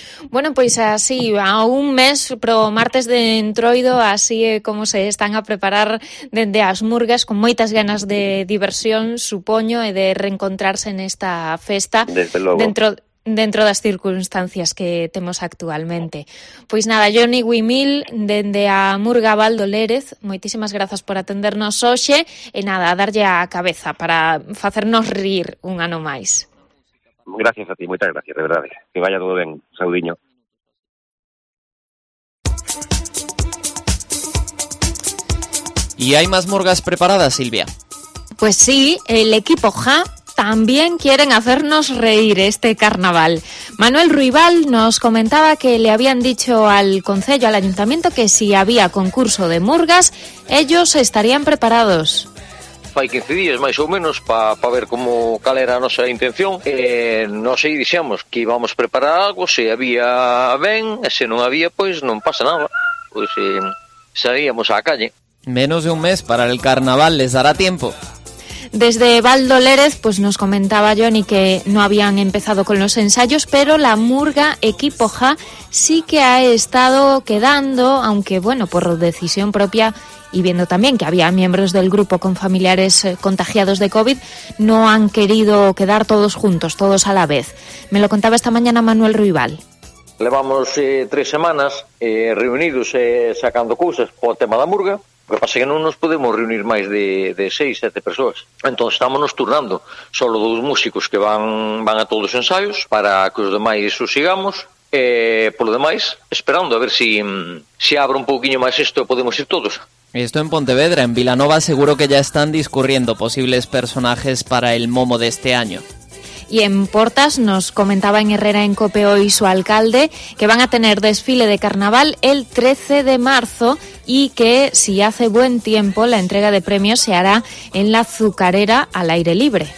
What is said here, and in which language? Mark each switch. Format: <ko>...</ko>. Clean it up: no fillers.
<gl>Bueno, pues así, a un mes pro martes de Entroido, así como se están a preparar de as murgas, con moitas ganas de diversión, supoño, e de reencontrarse en esta festa. Desde logo. Dentro das circunstancias que temos actualmente. Pois nada, Johnny Wimil, dende a Murga Baldo Lérez, moitísimas grazas por atendernos hoxe, e nada, a darlle a cabeza para facernos rir un ano máis. Gracias a ti, moitas gracias, de verdade. Que vaya todo ben, saudiño. E hai máis murgas preparadas, Silvia?</gl> <es>Pois sí, el equipo Ja también quieren hacernos reír este carnaval. Manuel Ruibal nos comentaba que le habían dicho al concello, al ayuntamiento, que si había concurso de murgas, ellos estarían preparados.</es> <gl>Fai 15 días, máis ou menos, pa ver como cal era a nosa intención. Nos aí dixemos que íbamos preparar algo, se había ben, se non había, pois non pasa nada. Pois saíamos á calle.</gl> <es>Menos de un mes para el carnaval, les dará tiempo. Desde Baldo Lérez, pues nos comentaba Johnny que no habían empezado con los ensayos, pero la murga Equipo Ja sí que ha estado quedando, aunque bueno, por decisión propia y viendo también que había miembros del grupo con familiares contagiados de COVID, no han querido quedar todos juntos, todos a la vez. Me lo contaba esta mañana Manuel Ruibal.</es> <gl>Levamos 3 semanas reunidos sacando cousas</gl> <es>por el tema de la murga.</es> <gl>O que pasa é que non nos podemos reunir máis de 6-7 persoas. Entón, estamos nos turnando. Solo 2 músicos que van a todos os ensaios para que os demais os sigamos. E, polo demais, esperando a ver se abre un pouquinho máis isto e podemos ir todos.</gl> <es>Isto en Pontevedra, en Vilanova, seguro que ya están discurriendo posibles personajes para el Momo de este año. Y en Portas nos comentaba en Herrera en Cope hoy su alcalde que van a tener desfile de carnaval el 13 de marzo y que si hace buen tiempo la entrega de premios se hará en la azucarera al aire libre.</es>